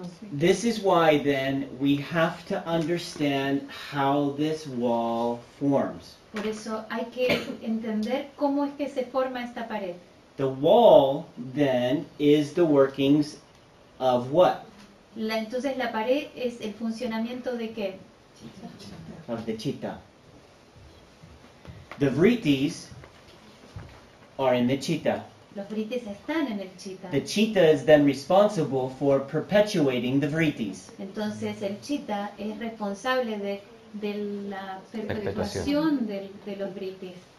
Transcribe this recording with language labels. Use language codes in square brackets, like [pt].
[en] This is why then we have to understand how this wall forms. [es] Por eso hay que entender cómo es que se forma esta pared. [en] The wall then is the workings of what? [es] La, entonces la pared es el funcionamiento de qué? [en] Of the chitta. The vrittis are in the chitta. [es] Los vrittis están en el chitta. [en] The chitta is then responsible for perpetuating the vrittis. [es] Entonces el chitta es responsable de la perpetuación de los vrittis.